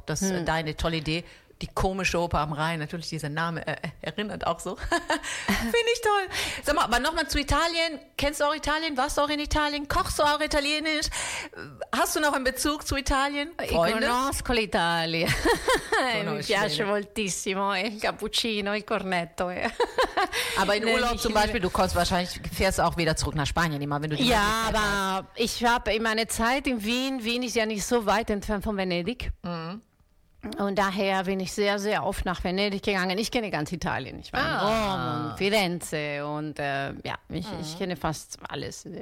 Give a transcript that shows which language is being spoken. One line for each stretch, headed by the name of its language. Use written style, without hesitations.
German: das ist deine tolle Idee. Die komische Oper am Rhein, natürlich dieser Name erinnert auch so. Finde ich toll. Sag mal, aber nochmal zu Italien. Kennst du auch Italien? Warst du auch in Italien? Kochst du auch Italienisch? Hast du noch einen Bezug zu Italien? Freunde? Ich
Italian: conosco l'Italia. Mi piace moltissimo. Il cappuccino, il cornetto.
German: Aber in Urlaub zum Beispiel, du kommst wahrscheinlich, fährst auch wieder zurück nach Spanien immer, wenn du die ich habe in meiner Zeit in Wien, ist ja nicht so weit entfernt von Venedig. Und daher bin ich sehr, sehr oft nach Venedig gegangen. Ich kenne ganz Italien. Ich war in Rom und Firenze und ich kenne fast alles.